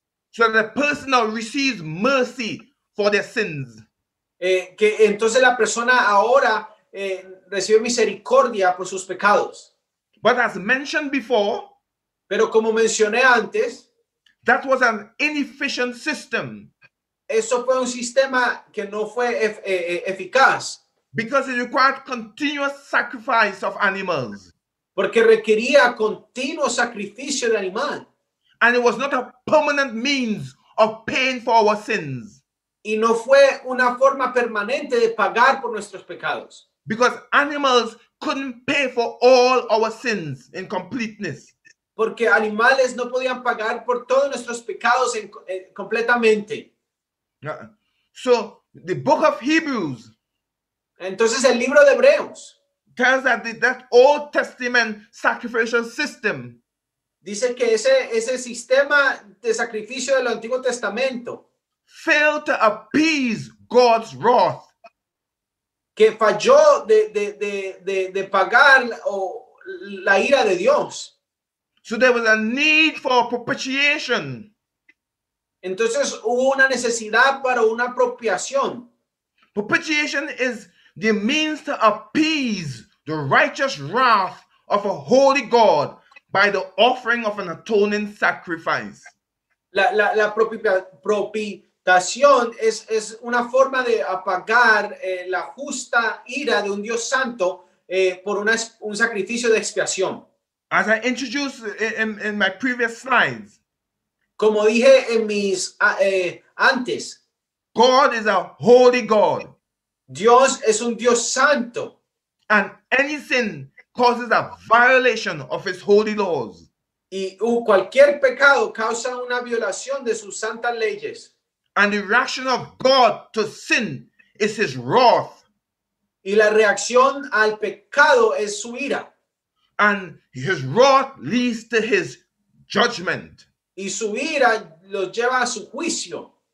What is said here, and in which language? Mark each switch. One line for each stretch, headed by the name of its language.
English: So the person now receives mercy for their sins.
Spanish: Que entonces la persona ahora recibe misericordia por sus pecados.
English: But as mentioned before,
Spanish: pero como mencioné antes,
English: that was an inefficient system.
Spanish: Eso fue un sistema que no fue eficaz.
English: Because it required continuous sacrifice of animals.
Spanish: Porque requería continuo sacrificio de animal.
English: And it was not a permanent means of paying for our sins.
Spanish: Y no fue una forma permanente de pagar por nuestros pecados.
English: Because animals couldn't pay for all our sins in completeness.
Spanish: Porque animales no podían pagar por todos nuestros pecados completamente.
English: So the book of Hebrews.
Spanish: Entonces el libro de Hebreos.
English: Tells that that Old Testament sacrificial system.
Spanish: Dice que ese sistema de sacrificio del Antiguo Testamento
English: failed to appease God's wrath.
Spanish: Que falló de pagar la ira de Dios.
English: So there was a need for propitiation.
Spanish: Entonces hubo una necesidad para una apropiación.
English: Propitiation is the means to appease the righteous wrath of a holy God by the offering of an atoning sacrifice.
Spanish: La propitiación es una forma de apagar la justa ira de un Dios santo por un sacrificio de expiación.
English: As I introduced in my previous slides,
Spanish: como dije en mis antes,
English: God is a holy God.
Spanish: Dios es un Dios santo.
English: And any sin causes a violation of his holy laws.
Spanish: Y cualquier pecado causa una violación de sus santas leyes.
English: And the reaction of God to sin is his wrath.
Spanish: Y la reacción al pecado es su ira.
English: And his wrath leads to his judgment.
Spanish: Y su ira lo lleva a su juicio.